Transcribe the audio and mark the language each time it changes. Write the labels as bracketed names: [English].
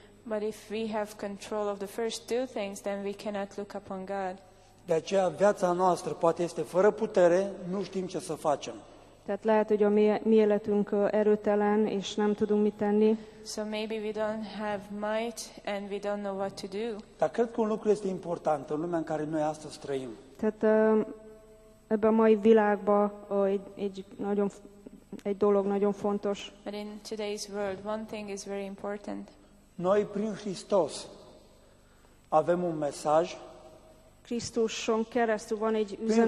[English] But if we have control of the first two things, then we cannot look upon God. [Romanian] De aceea viața noastră poate este fără putere, nu știm ce să facem. [Hungarian] Tehát lehet, hogy a mi életünk erőtelen, és nem tudunk mit tenni. [English] So maybe we don't have might and we don't know what to do. [Romanian] Dar cred că un lucru este important în lumea în care noi astăzi trăim. [Hungarian] Tehát ebben a mai világban egy dolog nagyon fontos. [English] But in today's world, one thing is very important. [Romanian] Noi prin Hristos avem un mesaj. [Hungarian] Krisztuson keresztül van egy üzenetünk.